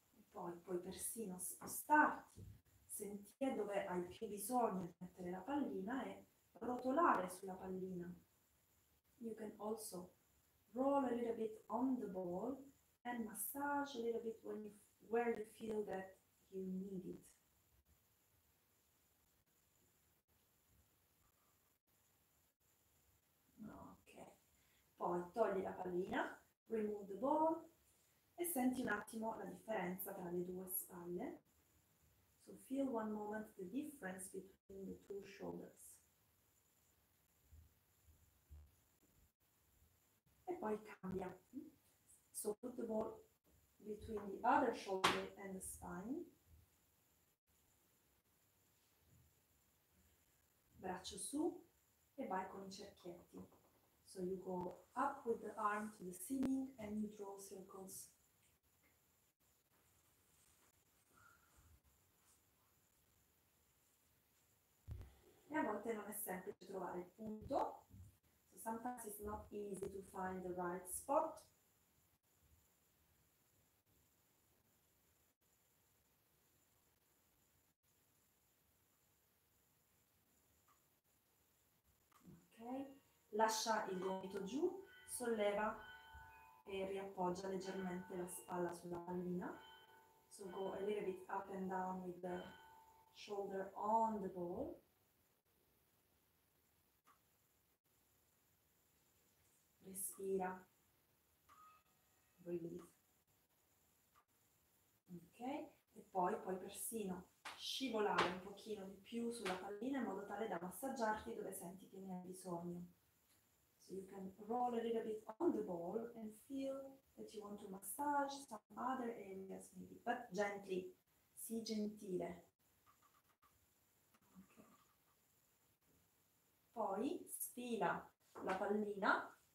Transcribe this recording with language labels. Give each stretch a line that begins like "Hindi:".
Italian: Poi puoi persino spostarti, sentire dove hai più bisogno di mettere la pallina e rotolare sulla pallina.
English: You can also roll a little bit on the ball and massage a little bit where you feel that you need it.
Italian: Ok, poi togli la pallina,
English: remove the ball,
Italian: e senti un attimo la differenza tra le due spalle.
English: So feel one moment the difference between the two shoulders.
Italian: E poi cambia.
English: So put the ball between the other shoulder and the spine.
Italian: Braccio su e vai con i cerchietti.
English: So you go up with the arm to the ceiling and you draw circles.
Italian: E a volte non è semplice trovare il punto.
English: So sometimes it's not easy to find the right spot.
Italian: Ok, lascia il gomito giù, solleva e riappoggia leggermente la spalla sulla pallina.
English: So go a little bit up and down with the shoulder on the ball.
Italian: Respira,
English: breathe,
Italian: ok? E poi puoi persino scivolare un pochino di più sulla pallina in modo tale da massaggiarti dove senti che ne hai bisogno.
English: So you can roll a little bit on the ball and feel that you want to massage some other areas maybe, but gently,
Italian: sii gentile. Okay. Poi sfila la pallina.